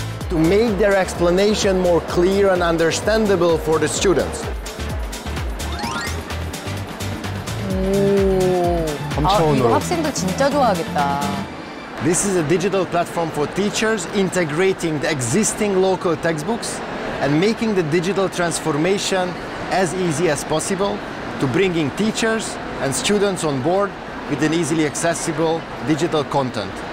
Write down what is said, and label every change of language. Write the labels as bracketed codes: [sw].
[en] To make their explanation more clear and understandable for the students. [ko] 오, 아, 이거 학생들 진짜 좋아하겠다. [en] This is a digital platform for teachers integrating the existing local textbooks and making the digital transformation as easy as possible to bringing teachers and students on board with an easily accessible digital content.